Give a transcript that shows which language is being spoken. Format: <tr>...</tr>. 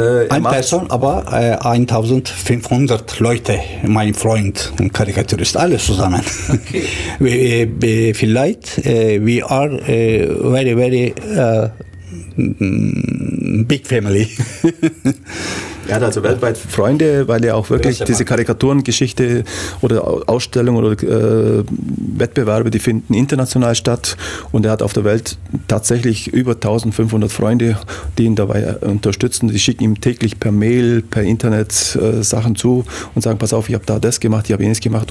<de>Ein Person, aber 1500 Leute, mein Freund und Karikaturist, alles zusammen. Okay.</de> <en>Vielleicht, we are very, very big family.</en> <de>Er hat also weltweit Freunde, weil er auch wirklich diese Karikaturengeschichte oder Ausstellungen oder Wettbewerbe, die finden international statt. Und er hat auf der Welt tatsächlich über 1500 Freunde, die ihn dabei unterstützen. Die schicken ihm täglich per Mail, per Internet Sachen zu und sagen, pass auf, ich habe da das gemacht, ich habe jenes gemacht.</de>